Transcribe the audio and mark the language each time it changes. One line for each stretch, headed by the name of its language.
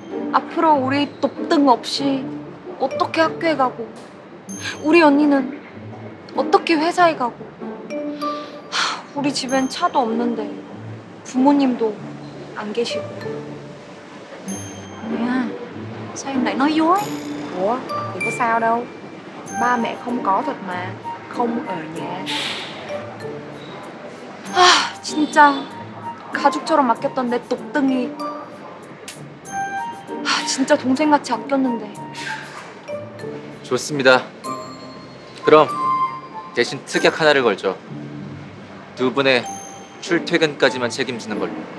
Korean: 앞으로 우리 돕등 없이 어떻게 학교에 가고 우리 언니는 어떻게 회사에 가고 우리 집엔 차도 없는데 부모님도 안 계시고.
Vietnamese: 엄마, sao em lại nói dối? Ủa, thì có sao đâu. Ba mẹ không có thật mà, không ở nhà.
Korean: 아, 진짜 가족처럼 맡겼던 내 똑등이 아, 진짜 동생같이 아꼈는데. 좋습니다. 그럼 대신 특약 하나를 걸죠. 두 분의 출퇴근까지만 책임지는 걸로.